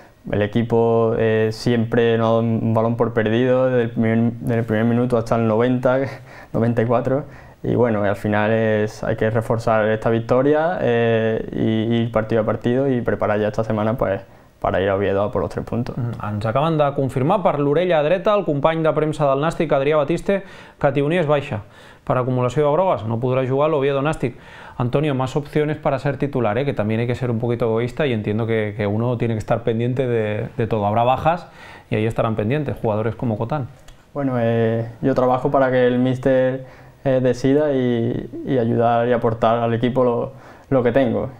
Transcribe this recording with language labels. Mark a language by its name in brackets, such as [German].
[Spanish] El equipo siempre nos da un balón por perdido desde el primer minuto hasta el 90, 94. Y bueno, al final hay que reforzar esta victoria y ir partido a partido y preparar ya esta semana pues para ir a Oviedo por los tres puntos. [Catalan] Ens acaben de confirmar per l'orella dreta el company de premsa del Nàstic, Adrià Batiste, que Tioni és baixa per acumulació de grogues, no podrà jugar a l'Oviedo Nàstic. [Spanish] Antonio, más opciones para ser titular, que también hay que ser un poquito egoísta y entiendo que uno tiene que estar pendiente de todo. Habrá bajas y ahí estarán pendientes jugadores como Cotán. Bueno, yo trabajo para que el míster decida y ayudar y aportar al equipo lo que tengo.